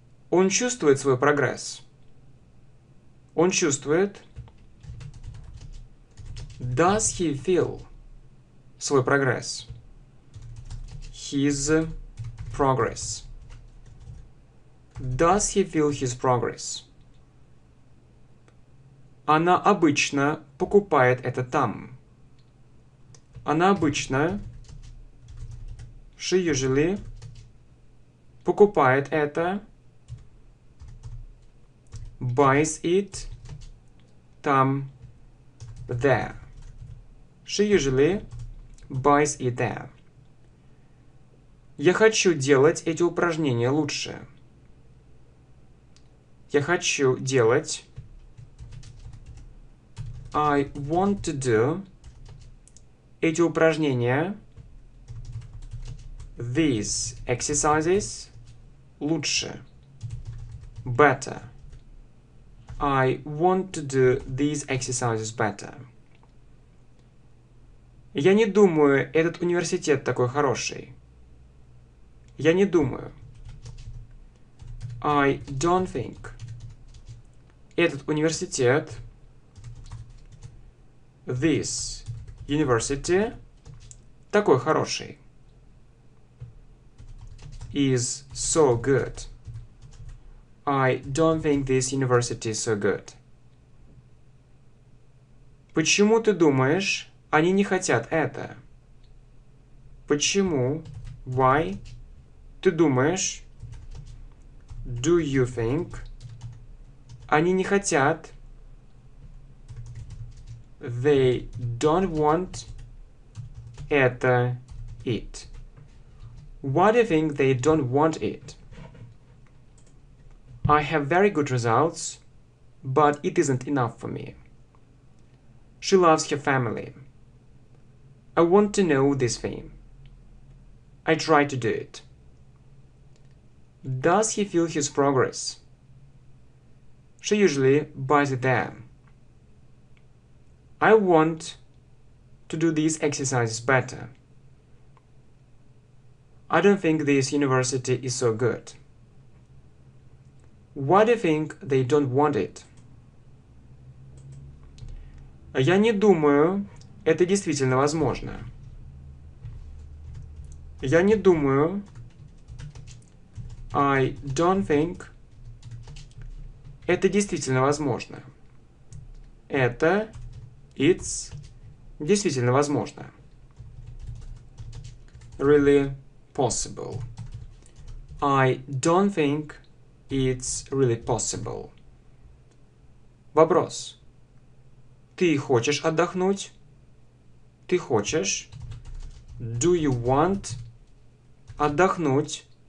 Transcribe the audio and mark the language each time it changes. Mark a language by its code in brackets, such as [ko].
[ru] Он чувствует свой прогресс? Он чувствует. [en] Does he feel [ru] свой прогресс? [en] His progress. Does he feel his progress? [ru] Она обычно покупает это там. Она обычно, [en] she usually [ru] покупает это, [en] buys it [ru] там, [en] there. She usually buys it there. [ru] Я хочу делать эти упражнения лучше. Я хочу делать [en] I want to do [ru] эти упражнения, [en] these exercises, [ru] лучше, [en] better. I want to do these exercises better. [ru] Я не думаю, этот университет такой хороший. Я не думаю. [en] I don't think. [ru] Этот университет, [en] this university, [ru] такой хороший. [en] Is so good. I don't think this university is so good. [ru] Почему ты думаешь, они не хотят это? Почему? [en] Why? [ru] Ты думаешь? [en] Do you think? [ru] Они не хотят. [en] They don't want [ru] это [en] it. Why do you think they don't want it? I have very good results, but it isn't enough for me. She loves her family. I want to know this thing. I try to do it. Does he feel his progress? She usually buys it there. I want to do these exercises better. I don't think this university is so good. Why do you think they don't want it? [ru] Я не думаю, это действительно возможно. Я не думаю. [en] I don't think. [ru] Это действительно возможно. Это [en] it's [ru] действительно возможно. [en] Really possible. I don't think it's really possible. [ru] Вопрос. Ты хочешь отдохнуть? Ты хочешь? [en] Do you want [ru] отдохнуть?